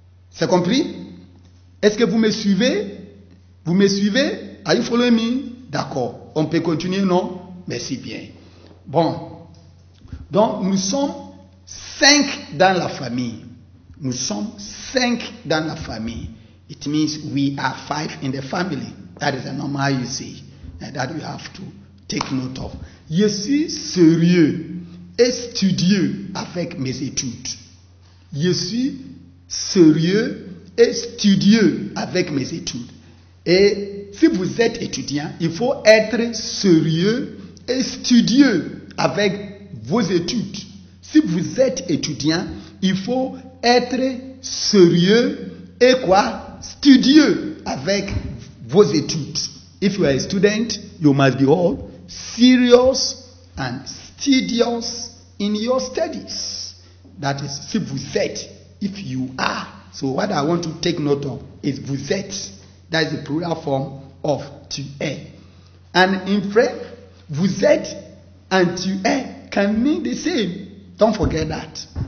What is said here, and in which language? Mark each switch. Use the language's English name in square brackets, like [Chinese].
[French] C'est compris? Est-ce que vous me suivez? Vous me suivez? [English] Are you following me? [French] D'accord. On peut continuer, non? Merci bien. Bon, donc nous sommes cinq dans la famille. Nous sommes cinq dans la famille. [English] It means we are five in the family. That is a normal usage and that we have to take note of. [French] Je suis sérieux et studieux avec mes études. Je suis sérieux et studieux avec mes études. Et si vous êtes étudiant, il faut être sérieux et studieux avec vos études. Si vous êtes étudiant, il faut être sérieux et quoi? Studieux avec vos études. [English] If you are a student, you must be all serious and studious in your studies. That is, [French] si vous êtes, [English] if you are. So what I want to take note of is vous êtes. That is the plural form of tu es. And in French, vous êtes and tu es can mean the same. Don't forget that.